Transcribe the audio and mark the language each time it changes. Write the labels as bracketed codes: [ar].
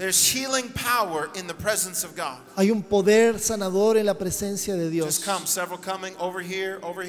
[en] There's healing power in the presence of God. [es] Hay un poder sanador en la presencia de Dios. [en] Just come, several coming over here.